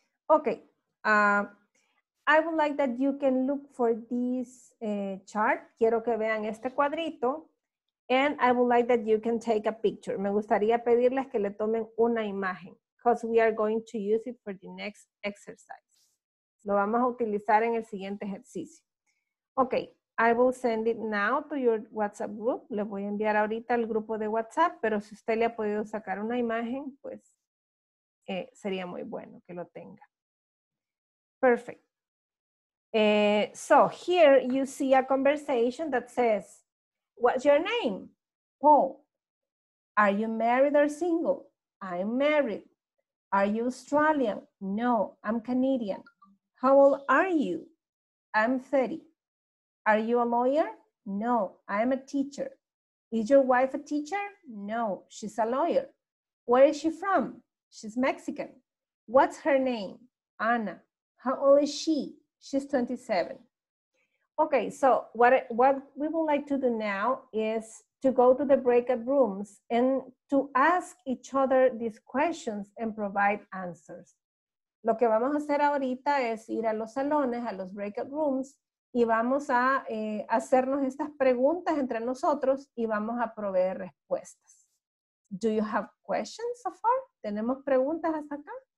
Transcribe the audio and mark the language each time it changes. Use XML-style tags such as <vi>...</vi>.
<en>Okay, I would like that you can look for this chart.</en> <es>Quiero que vean este cuadrito.</es> <en>And I would like that you can take a picture.</en> <es>Me gustaría pedirles que le tomen una imagen.</es> <en>Because we are going to use it for the next exercise.</en> <es>Lo vamos a utilizar en el siguiente ejercicio.</es> <en>Okay, I will send it now to your WhatsApp group.</en> <es>Le voy a enviar ahorita al grupo de WhatsApp. Pero si usted le ha podido sacar una imagen, pues sería muy bueno que lo tenga.</es> <en>Perfect. So here you see a conversation that says, what's your name? Paul. Are you married or single? I'm married. Are you Australian? No, I'm Canadian. How old are you? I'm 30. Are you a lawyer? No, I'm a teacher. Is your wife a teacher? No, she's a lawyer. Where is she from? She's Mexican. What's her name? Anna. How old is she? She's 27. Okay, so what we would like to do now is to go to the breakout rooms and to ask each other these questions and provide answers.</en> <es>Lo que vamos a hacer ahorita es ir a los salones, a los breakout rooms, y vamos a hacernos estas preguntas entre nosotros y vamos a proveer respuestas.</es> <en>Do you have questions so far?</en> <es>¿Tenemos preguntas hasta acá?</es>